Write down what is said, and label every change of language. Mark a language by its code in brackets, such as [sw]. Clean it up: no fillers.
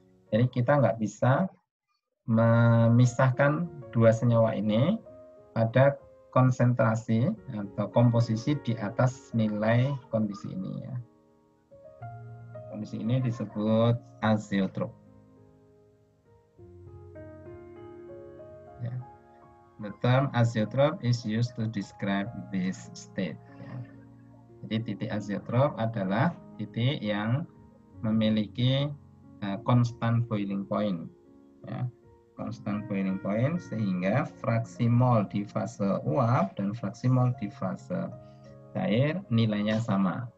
[id] Jadi kita nggak bisa memisahkan dua senyawa ini pada konsentrasi atau komposisi di atas nilai kondisi ini ya. Kondisi ini disebut azeotrop. [en] The term azeotrop is used to describe this state. [id] Jadi titik azeotrop adalah titik yang memiliki constant boiling point. Ya. Constant boiling point sehingga fraksi mol di fase uap dan fraksi mol di fase cair nilainya sama.